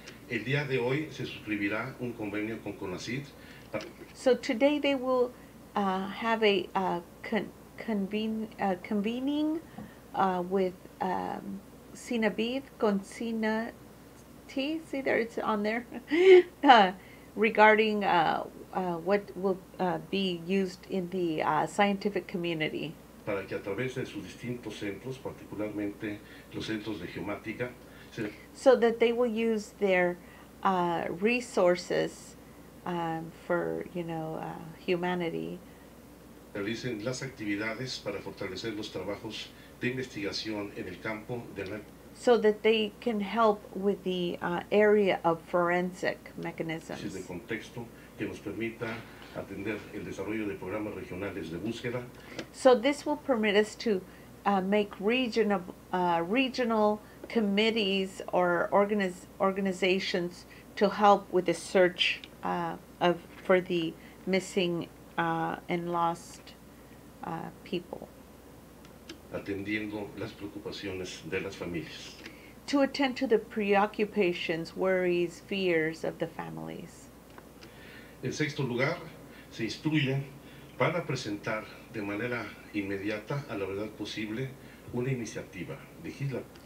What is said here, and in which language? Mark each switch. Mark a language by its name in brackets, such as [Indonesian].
[Spanish] El día de hoy se suscribirá un convenio con CONACYT. [English] So today they will have a convening with CINABID, see there, it's on there, regarding what will be used in the scientific community. [Spanish] Para que a través de sus distintos centros, particularmente los centros de geomática, [English] so that they will use their resources for, you know, humanity. [Spanish] Realicen las actividades para fortalecer los trabajos de investigación en el campo de la... [English] So that they can help with the area of forensic mechanisms. [Spanish] Es el contexto que nos permita atender el desarrollo de programas regionales de búsqueda. [English] So this will permit us to make regional committees or organizations to help with the search for the missing and lost people. [Spanish] Atendiendo las preocupaciones de las familias. [English] To attend to the preoccupations, worries, fears of the families. [Spanish] En sexto lugar, se instruye para presentar de manera inmediata a la verdad posible una iniciativa legislativa.